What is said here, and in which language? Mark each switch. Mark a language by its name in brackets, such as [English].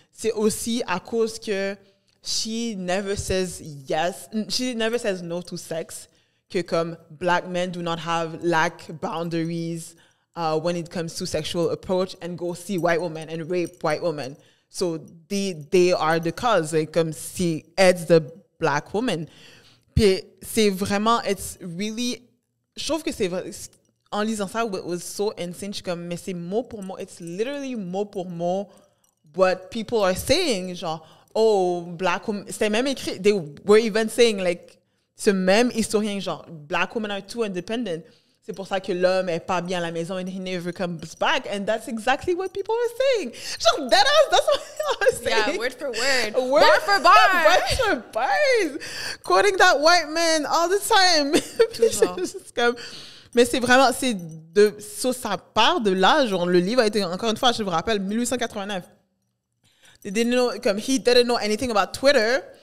[French] C'est aussi à cause que [English] she never says no to sex, [French] que comme [English] black men do not have lack boundaries when it comes to sexual approach and go see white women and rape white women. So they are the cause, like, [French] comme si [English] it's the black woman. [French] Puis c'est vraiment, [English] it's really, [French] je trouve que c'est vrai. En lisant ça, [English] it was so insane. [French] Je suis comme, mais c'est mot pour mot. [English] It's literally [French] mot pour mot [English] what people are saying. [French] Genre, [English] oh, black women. [French] C'était même écrit. [English] They were even saying, like, [French] ce même historien, genre, [English] black women are too independent. [French] C'est pour ça que l'homme est pas bien à la maison [English] and he never comes back. And that's exactly what people are saying. [French] Genre, [English] that's what they are saying. Yeah, word for word. Word for bar. Quoting that white man all the time. [French] Toujours. Je suis comme... Mais c'est vraiment, c'est de ça part de là. Genre, le livre a été, encore une fois, je vous rappelle, 1889. [English] They didn't know, [French] comme, [English] he didn't know anything about Twitter.